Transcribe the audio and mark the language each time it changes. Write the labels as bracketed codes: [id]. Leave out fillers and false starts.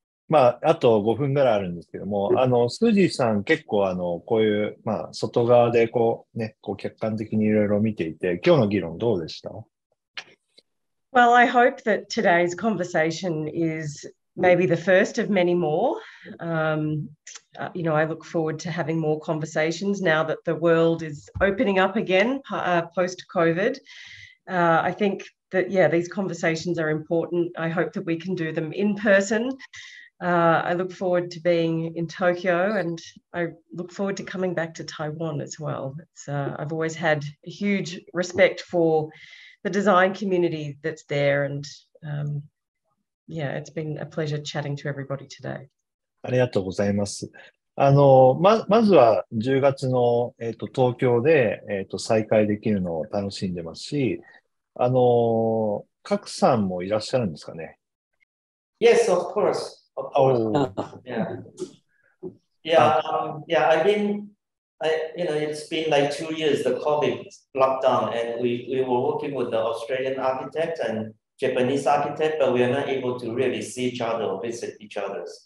[ja] まあ、あと5分ぐらいあるんですけども、スージーさん結構こういう、まあ、外側でこうね、こう客観的にいろいろ見ていて、今日の議論どうでした？ [en] Well, I hope that today's conversation is maybe the first of many more. I look forward to having more conversations now that the world is opening up again, post-COVID. I think that, yeah, these conversations are important. I hope that we can do them in person. I look forward to being in Tokyo and I look forward to coming back to Taiwan as well. I've always had a huge respect for the design community that's there and it's been a pleasure chatting to everybody today. [ja] ありがとうございます。まずは10月の、東京で、再開できるのを楽しんでますし、賀来さんもいらっしゃるんですかね? [en] Yes, of course. I've been, it's been like 2 years, the COVID lockdown, and we were working with the Australian architect and Japanese architect, but we are not able to really see each other or visit each other.